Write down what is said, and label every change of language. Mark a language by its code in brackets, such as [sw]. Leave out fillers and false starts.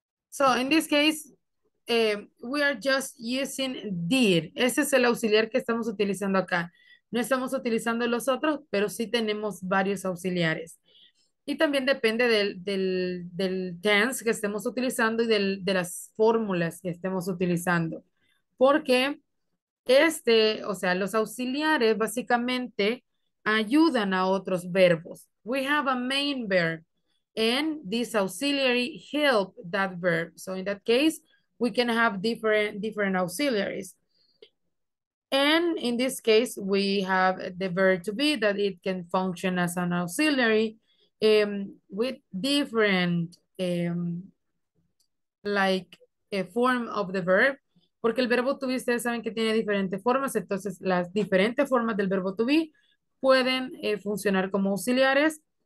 [en] So in this case, we are just using did. [es] Ese es el auxiliar que estamos utilizando acá. No estamos utilizando los otros, pero sí tenemos varios auxiliares. Y también depende del tense que estemos utilizando y de las fórmulas que estemos utilizando. Porque este, o sea, los auxiliares básicamente ayudan a otros verbos. [en] We have a main verb and this auxiliary help that verb. So in that case, we can have different auxiliaries. And in this case, we have the verb to be that it can function as an auxiliary with different like a form of the verb. [es] Porque el verbo to be, ustedes saben que tiene diferentes formas, entonces las diferentes formas del verbo to be pueden funcionar como auxiliares.